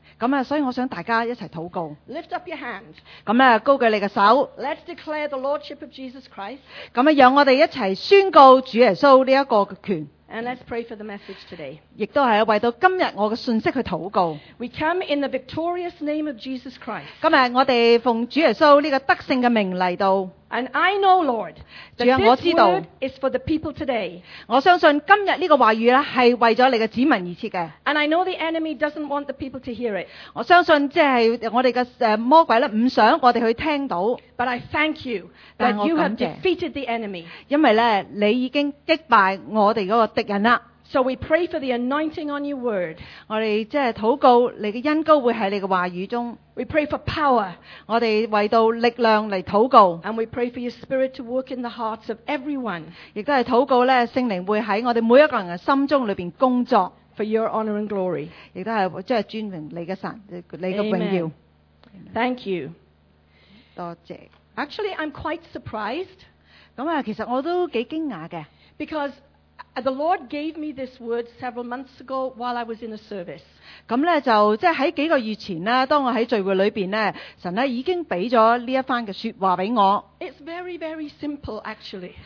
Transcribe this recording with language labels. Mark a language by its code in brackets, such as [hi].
[yue] 咁啊，所以我想大家一齊禱告。 [en] Lift up your hands. [yue] 咁咧，高舉你嘅手。 [en] Let's declare the lordship of Jesus Christ. [yue] 咁啊，讓我哋一齊宣告主耶穌呢一個嘅權。 [en] And let's pray for the message today. [yue] 亦都係為到今日我嘅信息去禱告。 [en] We come in the victorious name of Jesus Christ. [yue] 今日我哋奉主耶穌呢個得勝嘅名嚟到。 [en] And I know, Lord, that this word is for the people today. [yue] 我相信今日呢個話語咧係為咗你嘅子民而設嘅。 [en] And I know the enemy doesn't want the people to hear it. [yue] 我相信即係我哋嘅魔鬼咧唔想我哋去聽到。 [en] But I thank you that you have defeated the enemy. [yue] 因為咧你已經擊敗我哋嗰個敵人啦。 [en] So we pray for the anointing on your word. [yue] 我哋即係禱告你嘅恩膏會喺你嘅話語中。 [en] We pray for power. [yue] 我哋為到力量嚟禱告。 [en] And we pray for your spirit to work in the hearts of everyone. [yue] 亦都係禱告咧，聖靈會喺我哋每一個人嘅心中裏邊工作。 [en] For your honor and glory. [yue] 亦都係即係尊榮你嘅神，你嘅榮耀。 [en] Amen. Thank you. [yue] 多謝。 [en] Actually, I'm quite surprised. [yue] 咁啊，其實我都幾驚訝嘅。 [en] Because The Lord gave me this word several months ago while I was in a service. [yue] 咁咧就即係喺幾個月前咧，當我喺聚會裏邊咧，神咧已經俾咗呢一番嘅説話俾我。 [en] It's very, very simple, actually.